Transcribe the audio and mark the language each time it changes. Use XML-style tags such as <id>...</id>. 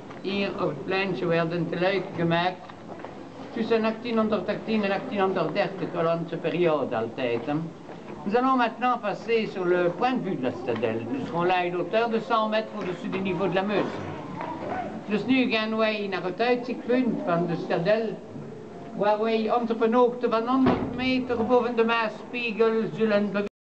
<nl>Hier op het pleintje werden te luik gemaakt tussen 1818 en 1830, Hollandse periode altijd.</nl> <fr>Nous allons maintenant passer sur le point de vue de la citadelle. Nous serons là à une hauteur de 100 mètres au-dessus du niveau de la Meuse.</fr> <nl>Dus nu gaan wij naar het uitzichtpunt van de citadelle, waar wij ons op een hoogte van 100 meter boven de Maasspiegel zullen bewegen.</nl>